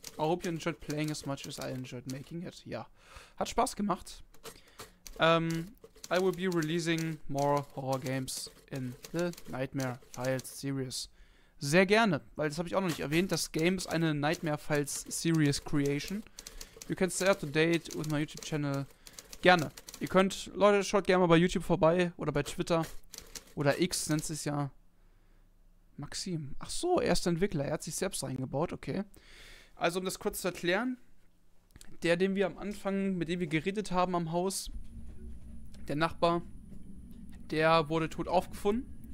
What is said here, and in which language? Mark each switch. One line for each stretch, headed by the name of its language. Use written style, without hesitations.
English: I hope you enjoyed playing as much as I enjoyed making it.
German: Ja. Hat Spaß gemacht.
English: I will be releasing more horror games in the Nightmare Files Series.
German: Sehr gerne, weil das habe ich auch noch nicht erwähnt. Das Game ist eine Nightmare Files Series Creation.
English: You can stay up to date with my YouTube Channel.
German: Gerne. Ihr könnt, Leute, schaut gerne mal bei YouTube vorbei oder bei Twitter. Oder X nennt sich ja Maxim. Ach so, er ist der Entwickler. Er hat sich selbst reingebaut, okay. Also, um das kurz zu erklären: Der, den wir am Anfang, mit dem wir geredet haben am Haus, der Nachbar, der wurde tot aufgefunden.